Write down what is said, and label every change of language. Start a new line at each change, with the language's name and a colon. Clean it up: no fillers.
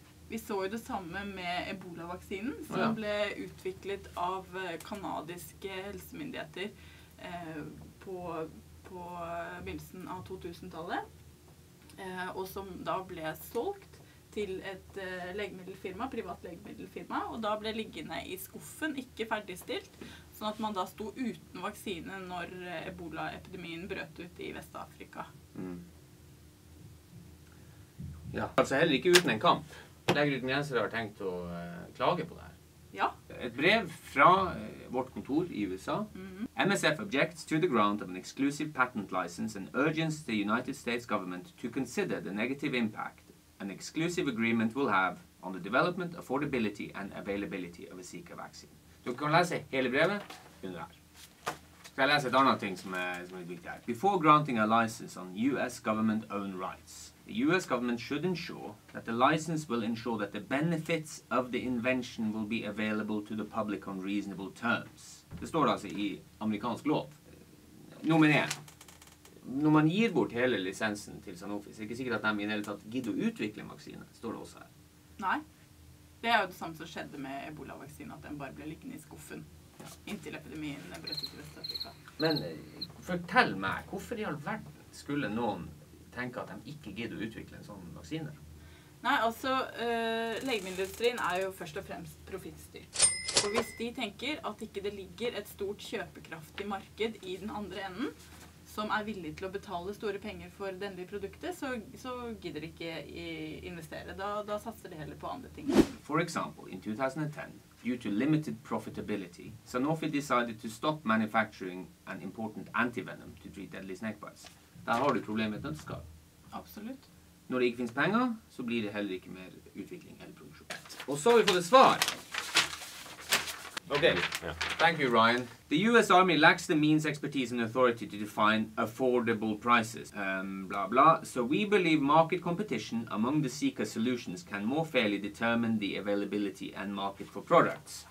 Norwegian: Vi så jo det samme med Ebola-vaksinen, som ble utviklet av kanadiske helsemyndigheter på begynnelsen av 2000-tallet, og som da ble solgt til et legemiddelfirma, privat legemiddelfirma, og da ble liggende i skuffen, ikke ferdigstilt, sånn at man da sto uten vaksine når Ebola-epidemien brøt ut i Vest-Afrika. Mm. Ja, altså heller ikke uten en kamp. Leger uten grenser har tenkt å klage på det her. Ja. Et brev fra vårt kontor i USA. Mm-hmm.
English: MSF objects to the grant of an exclusive patent license and urges the United States government to consider the negative impact an exclusive agreement will have on the development, affordability and availability of a Zika vaccine.
Norwegian: Du kan lese hele brevet under her. Skal jeg lese et annet ting som er viktig her.
English: Before granting a license on US government-owned rights, the US government should ensure that the license will ensure that the benefits of the invention will be available to the public on reasonable terms.
Norwegian: Det står altså i amerikansk lov. Nummer 1. Når man gir bort hele lisensen til Sanofi, så er det ikke sikkert at de i det hele tatt gidder å utvikle vaksine, står det også her. Nei. Det er jo det samme som skjedde med Ebola-vaksinen, at den bare ble liggende i skuffen. Ja. Inntil epidemien brøt ut i Vest-Afrika. Men fortell meg, hvorfor i all verden skulle noen tenke at de ikke gidder å utvikle en sånn vaksine? Nei, altså, legemiddelindustrien er jo først og fremst profittstyrt. For hvis de tenker at ikke det ligger et stort kjøpekraftig marked I den andre enden, som villig til å betale store penger for denne produktet, så gidder de ikke investere. Da satser de heller på andre ting.
English: For example, in 2010, due to limited profitability, Sanofi decided to stop manufacturing an important antivenom to treat deadly snake bites.
Norwegian: Der har du problemet med nøtteskall. Absolutt. Når det ikke finnes penger, så blir det heller ikke mer utvikling eller produksjon. Og så har vi fått et svar. Okay.
English: Yeah. Thank you, Ryan. The US Army lacks the means, expertise, and authority to define affordable prices. Blah, blah. So we believe market competition among the seeker solutions can more fairly determine the availability and market for products.